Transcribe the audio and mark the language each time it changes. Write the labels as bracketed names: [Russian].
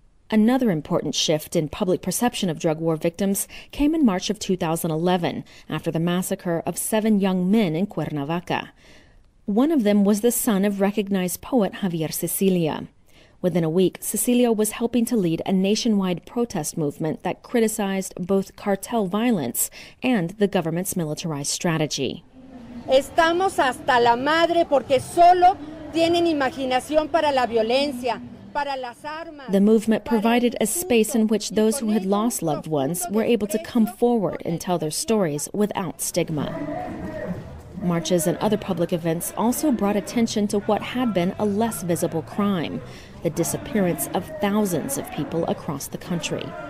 [English] Another important shift in public perception of drug war victims came in March of 2011, after the massacre of seven young men in Cuernavaca. One of them was the son of recognized poet Javier Cecilia. Within a week, Cecilia was helping to lead a nationwide protest movement that criticized both cartel violence and the government's militarized strategy. [Spanish] Estamos hasta la madre porque solo tienen imaginación para la violencia. [English] The movement provided a space in which those who had lost loved ones were able to come forward and tell their stories without stigma. Marches and other public events also brought attention to what had been a less visible crime, the disappearance of thousands of people across the country.